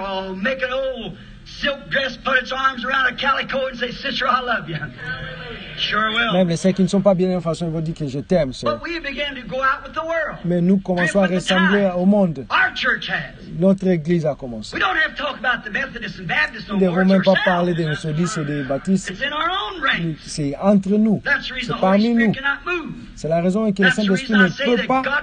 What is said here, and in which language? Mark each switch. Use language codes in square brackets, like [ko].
[en] I'll make an old silk dress, put its arms around a calico and say, Sister, I love you. Sure will. [fr] Même les saints qui ne sont pas bien en façon, ils vont dire que je t'aime, sœur. [en] But we began to go out with the world. [fr] Mais nous commençons à ressembler au monde. [en] Our church has. [fr] Notre église a commencé. [en] We don't have to talk about the Methodists and Baptists. [fr] Nous ne devons même pas parler des Methodistes et des Baptistes. [en] It's in our own ranks. [fr] C'est entre nous. C'est parmi nous. C'est la raison que le Saint-Esprit ne peut pas.